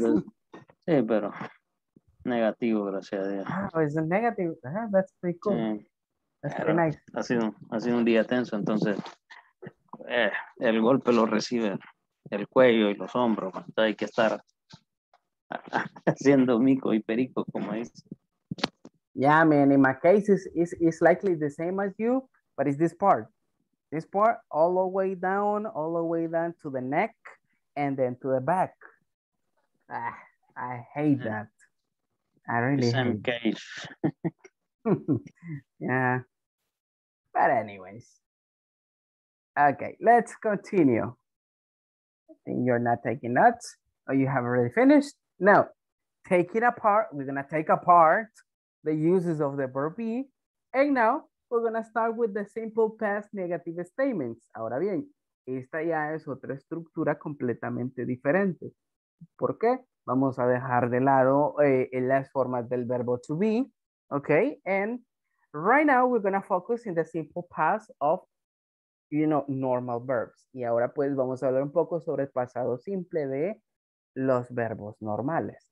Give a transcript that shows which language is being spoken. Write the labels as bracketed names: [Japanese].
[Spanish] Sí, pero... negativo, gracias a Dios. [English] Oh, it's a negative. That's pretty cool. Yeah. That's pretty nice. [Spanish] Ha sido un día tenso, entonces el golpe lo recibe el cuello y los hombros. Entonces hay que estar haciendo mico y perico, como dice. [English] Yeah, man, in my case, it's likely the same as you, but it's this part. This part, all the way down to the neck. and then to the back. Ah, I hate that. I really same case. Yeah. But anyways. Okay, let's continue. I think you're not taking notes. Oh, you have already finished? No. Taking apart, we're gonna take apart the uses of the verb be. And now we're gonna start with the simple past negative statements. [Spanish] Ahora bien, esta ya es otra estructura completamente diferente. ¿Por qué? Vamos a dejar de lado las formas del verbo to be, okay? [English] And right now we're gonna focus in the simple past of, you know, normal verbs. [Spanish] Y ahora pues vamos a hablar un poco sobre el pasado simple de los verbos normales.